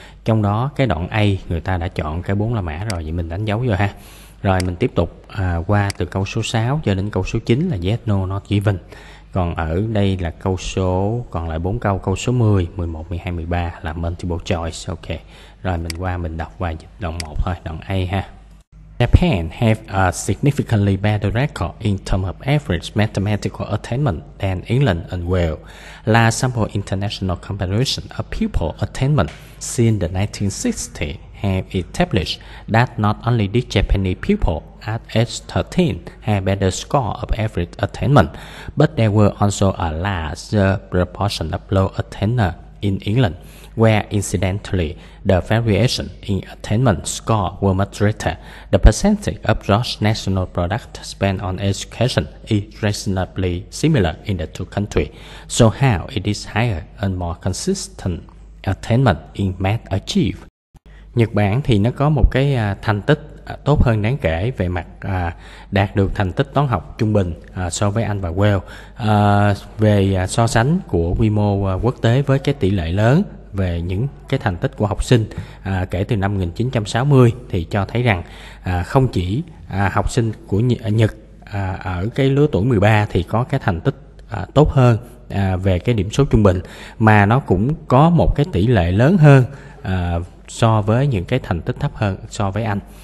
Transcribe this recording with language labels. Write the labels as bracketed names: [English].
[Vietnamese] Trong đó cái đoạn A người ta đã chọn cái 4 là mã rồi, vậy mình đánh dấu vô ha. Rồi mình tiếp tục qua từ câu số 6 cho đến câu số 9 là yes no not given. Còn ở đây là câu số, còn lại 4 câu, câu số 10, 11, 12, 13 là multiple choice. Ok, rồi mình qua mình đọc qua đoạn 1 thôi, đoạn A ha. [English] Japan have a significantly better record in terms of average mathematical attainment than England and Wales. Last sample international comparison of pupil attainment since the 1960s have established that not only did Japanese pupils at age 13 have better score of average attainment, but there were also a large proportion of low attainers in England, where incidentally the variation in attainment score were much greater. The percentage of gross national product spent on education is reasonably similar in the two countries. So how it is higher and more consistent attainment in math achieved? [Vietnamese] Nhật Bản thì nó có một cái thành tích tốt hơn đáng kể về mặt đạt được thành tích toán học trung bình so với Anh và Wales. Về so sánh của quy mô quốc tế với cái tỷ lệ lớn về những cái thành tích của học sinh kể từ năm 1960 thì cho thấy rằng không chỉ học sinh của Nhật ở cái lứa tuổi 13 thì có cái thành tích tốt hơn về cái điểm số trung bình, mà nó cũng có một cái tỷ lệ lớn hơn so với những cái thành tích thấp hơn so với Anh.